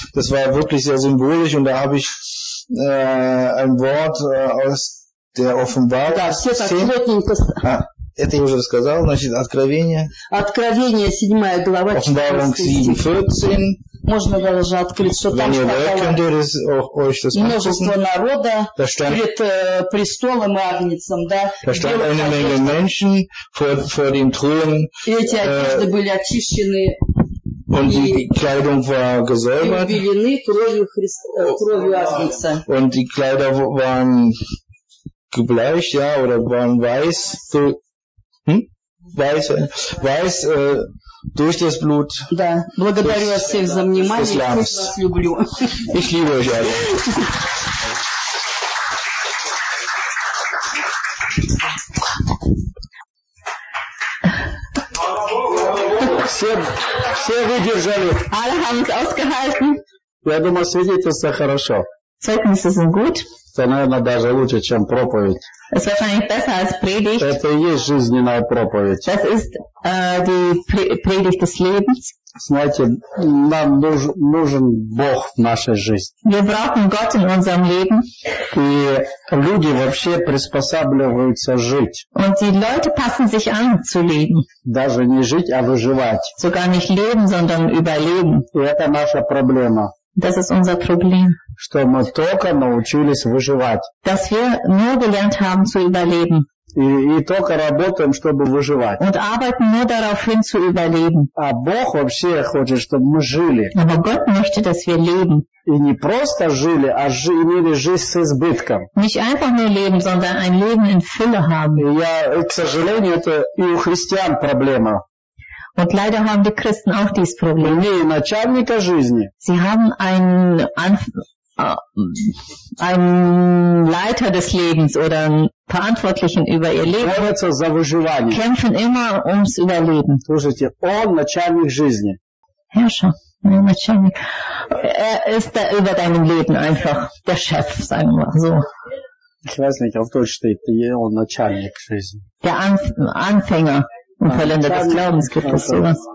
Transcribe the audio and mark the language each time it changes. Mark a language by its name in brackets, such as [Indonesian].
[German] Das war wirklich sehr symbolisch und da habe ich ein Wort aus der Offenbarung. [Russian] Да, все так плотненько... Это я уже сказал, значит, Откровение. Откровение, 7 глава, 14. Можно даже открыть, что там сказано. Множество народа перед престолом и Агнецем, да? И эти одежды были очищены. [German] Und die Kleidung war gesäubert. Und die Kleider waren gebleicht, ja, oder waren weiß. Weiß durch das Blut. [Russian] Да, благодарю вас всех за внимание. [German] Ich [Russian] вас люблю. [German] Ich liebe euch alle. [Russian] Все выдержали. [German] Alle haben es ausgehalten. [Russian] Я думаю, свидетельство хорошо. [German] Zeugnisse sind gut. [Russian] Это, наверное, даже лучше, чем проповедь. [German] Es war vielleicht besser als Predigt. [Russian] Это и есть жизненная проповедь. [German] Das ist die Predigt des Lebens. [Russian] Знаете, нам нужен Бог в нашей жизни. [German] Wir brauchen Gott in unserem Leben. [Russian] И люди вообще приспосабливаются жить. [German] Und die Leute passen sich an zu leben. [Russian] Даже не жить, а выживать. [German] Sogar nicht leben, sondern überleben. [Russian] И это наша проблема. [German] Das ist unser Problem. [Russian] Что мы только научились выживать. [German] Dass wir nur gelernt haben zu überleben. [Russian] И только работаем, чтобы выживать. [German] Und arbeiten nur darauf hin zu überleben. [Russian] А Бог вообще хочет, чтобы мы жили. [German] Aber Gott möchte, dass wir leben. [Russian] И не просто жили, а имели жизнь с избытком. [German] Nicht einfach nur leben, sondern ein Leben in Fülle haben. [Russian] И я, к сожалению, это и у христиан проблема. [German] Und leider haben die Christen auch dieses Problem. Sie haben einen Leiter des Lebens oder einen Verantwortlichen über ihr Leben. Kämpfen immer ums Überleben. [Russian] Слушайте, он начальник жизни. [German] Herrscher, mein [Russian] Начальник. [German] Er ist da über deinem Leben einfach der Chef, sagen wir mal so. Ich weiß nicht, auf Deutsch steht ihr [Russian] начальник жизни. [German] Der Anfänger im Kalender des Glaubens gibt es sowas.